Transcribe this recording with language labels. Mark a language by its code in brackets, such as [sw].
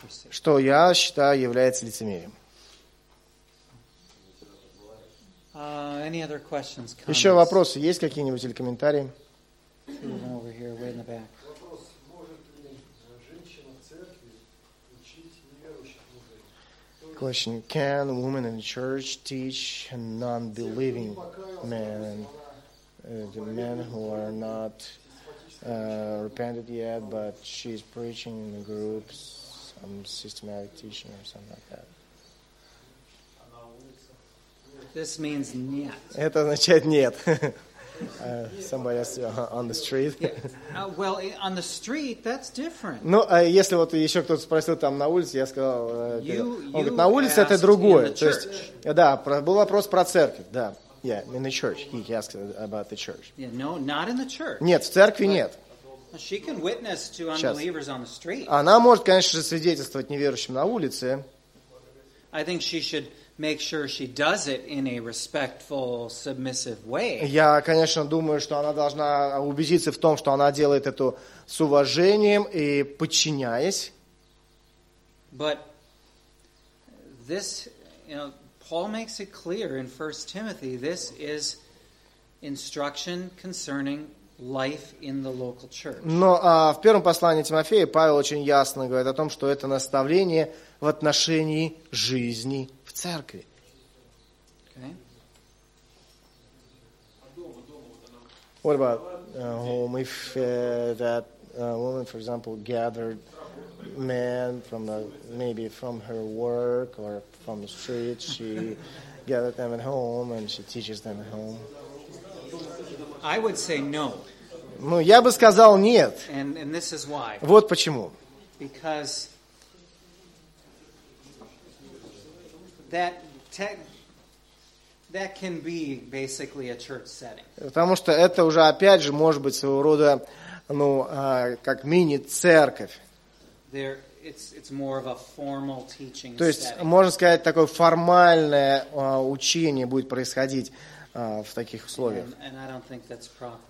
[ru] Что я считаю является лицемерием. [en] Any other questions, comments? [ru] Еще вопросы есть какие-нибудь или комментарии? Вопрос. Может ли женщина в церкви учить неверующих мужей? [en] Question. Can a woman in church teach non-believing men and the men who are not repented yet, but she's preaching in the groups, some systematic teaching or something like that. This means [ru] нет. Это означает нет. [en] Somebody else on the street. Well, on the street, that's different. [ru] Ну, если вот еще кто-то спросил там на улице, я сказал, он говорит, на улице это другое. То есть, да, был вопрос про церковь, да. [en] Yeah, in the church. He asked about the church. Yeah, no, not in the church. [ru] Нет, в церкви нет. [en] She can witness to unbelievers on the street. [ru] Она может, конечно же, свидетельствовать неверующим на улице. [en] I think she should make sure she does it in a respectful, submissive way. [ru] Я, конечно, думаю, что она должна убедиться в том, что она делает это с уважением и подчиняясь. [en] But this, you know, Paul makes it clear in 1 Timothy this is instruction concerning life in the local church. [ru] Но в первом послании Тимофея Павел очень ясно говорит о том, что это наставление в отношении жизни в церкви. [en] Okay. What about home if that woman, for example, gathered man from the, maybe from her work or from the street, she gathered them at home and she teaches them at home. I would say no. [ru] Ну, я бы сказал нет. [en] And this is why. [ru] Вот почему. [en] Because that that can be basically a church setting. [ru] Потому что это уже опять же может быть своего рода, ну, как мини-церковь. [en] There, it's more of a formal teaching. [ru] То есть, можно сказать, такое формальное учение будет происходить в таких условиях. [en] And I don't think that's proper.